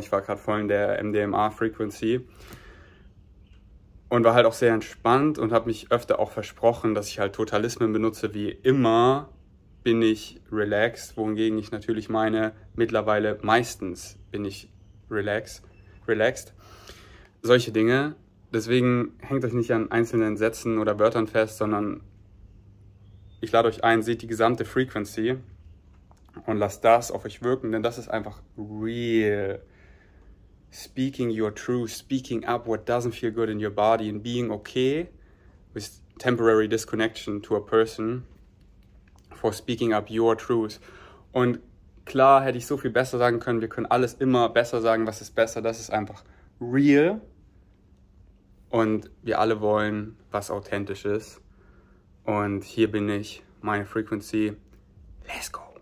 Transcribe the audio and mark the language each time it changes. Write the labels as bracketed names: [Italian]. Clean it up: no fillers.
[German] Und ich war gerade voll in der MDMA-Frequency und war halt auch sehr entspannt und habe mich öfter auch versprochen, dass ich halt Totalismen benutze, wie immer bin ich relaxed, wohingegen ich natürlich meine, mittlerweile meistens bin ich relaxed. Solche Dinge. Deswegen hängt euch nicht an einzelnen Sätzen oder Wörtern fest, sondern ich lade euch ein, seht die gesamte Frequency und lasst das auf euch wirken, denn das ist einfach real. [English] Speaking your truth, speaking up what doesn't feel good in your body and being okay with temporary disconnection to a person. For speaking up your truth. [German] Und klar hätte ich so viel besser sagen können. Wir können alles immer besser sagen. Was ist besser? Das ist einfach real. Und wir alle wollen was Authentisches. Und hier bin ich, meine Frequency. [English] Let's go.